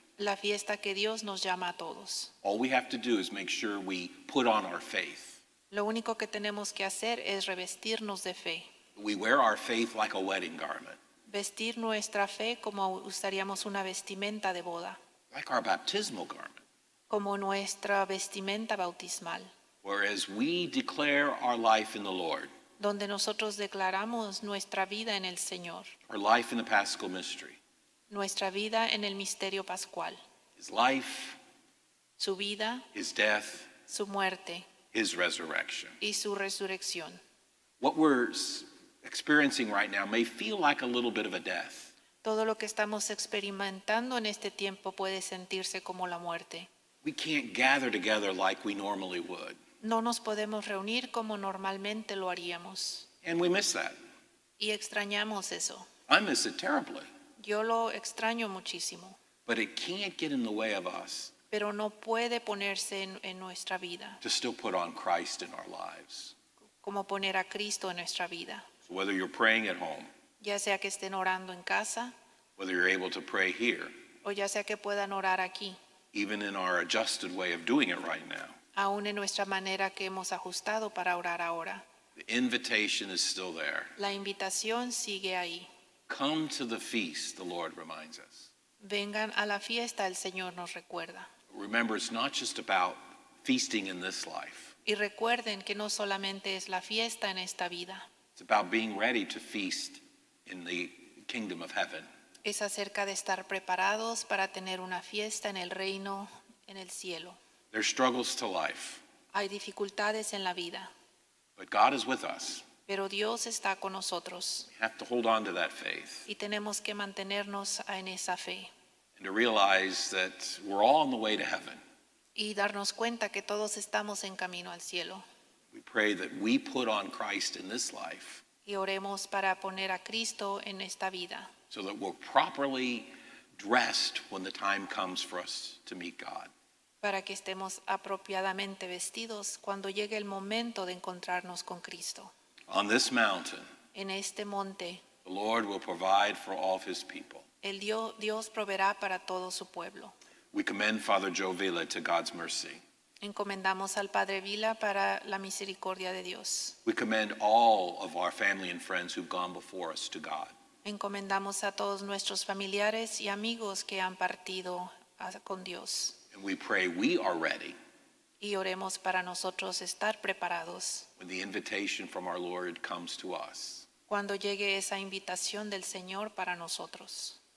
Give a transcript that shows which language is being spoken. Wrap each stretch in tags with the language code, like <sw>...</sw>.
<es>La fiesta que Dios nos llama a todos.</es> <en>All we have to do is make sure we put on our faith.</en> <es>Lo único que tenemos que hacer es revestirnos de fe.</es> <en>We wear our faith like a wedding garment.</en> <es>Vestir nuestra fe como usaríamos una vestimenta de boda.</es> <en>Like our baptismal garment.</en> <es>Como nuestra vestimenta bautismal.</es> <en>Whereas we declare our life in the Lord.</en> <es>Donde nosotros declaramos nuestra vida en el Señor.</es> <en>Our life in the Paschal mystery.</en> <es>Nuestra vida en el misterio pascual.</es> <en>His life.</en> <es>Su vida.</es> <en>His death.</en> <es>Su muerte.</es> <en>His resurrection.</en> <es>Y su resurrección.</es> <en>What we're experiencing right now may feel like a little bit of a death.</en> <es>Todo lo que estamos experimentando en este tiempo puede sentirse como la muerte.</es> <en>We can't gather together like we normally would.</en> <es>No nos podemos reunir como normalmente lo haríamos.</es> <en>And we miss that.</en> <es>Y extrañamos eso.</es> <en>I miss it terribly.</en> <es>Yo lo extraño muchísimo.</es> <en>But it can't get in the way of us.</en> <es>Pero no puede ponerse en nuestra vida.</es> <en>To still put on Christ in our lives.</en> <es>Como poner a Cristo en nuestra vida.</es> <en>Whether you're praying at home,</en> <es>ya sea que estén orando en casa,</es> <en>whether you're able to pray here,</en> <es>o ya sea que puedan orar aquí,</es> <en>even in our adjusted way of doing it right now,</en> <es>aún en nuestra manera que hemos ajustado para orar ahora,</es> <en>the invitation is still there.</en> <es>La invitación sigue ahí.</es> <en>Come to the feast, the Lord reminds us.</en> <es>Vengan a la fiesta, el Señor nos recuerda.</es> <en>Remember, it's not just about feasting in this life.</en> <es>Y recuerden que no solamente es la fiesta en esta vida.</es> <en>It's about being ready to feast in the kingdom of heaven.</en> <es>Es acerca de estar preparados para tener una fiesta en el reino en el cielo.</es> <en>There are struggles to life.</en> <es>Hay dificultades en la vida.</es> <en>But God is with us.</en> <es>Pero Dios está con nosotros.</es> <en>We have to hold on to that faith.</en> <es>Y tenemos que mantenernos en esa fe.</es> <en>And to realize that we're all on the way to heaven.</en> <es>Y darnos cuenta que todos estamos en camino al cielo.</es> <en>We pray that we put on Christ in this life.</en> <es>Y oremos para poner a Cristo en esta vida.</es> <en>So that we're properly dressed when the time comes for us to meet God.</en> <es>Para que estemos apropiadamente vestidos cuando llegue el momento de encontrarnos con Cristo.</es> <en>On this mountain,</en> <es>en este monte,</es> <en>the Lord will provide for all of his people.</en> <es>El Dios proveerá para todo su pueblo.</es> <en>We commend Father Joe Vila to God's mercy.</en> <es>Encomendamos al Padre Vila para la misericordia de Dios.</es> <en>We commend all of our family and friends who've gone before us to God.</en> <es>Encomendamos a todos nuestros familiares y amigos que han partido con Dios.</es> <en>And we pray we are ready.</en> <es>Y oremos para nosotros estar preparados.</es> <en>When the invitation from our Lord comes to us.</en> <es>Cuando llegue esa invitación del Señor para nosotros.</es>